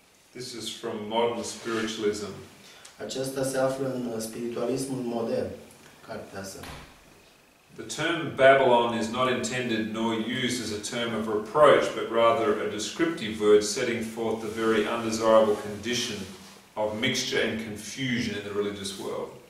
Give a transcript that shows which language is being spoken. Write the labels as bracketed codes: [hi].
[en] This is from modern spiritualism. [ro] Aceasta se află în spiritualismul modern. [en] The term Babylon is not intended nor used as a term of reproach, but rather a descriptive word setting forth the very undesirable condition of mixture and confusion in the religious world.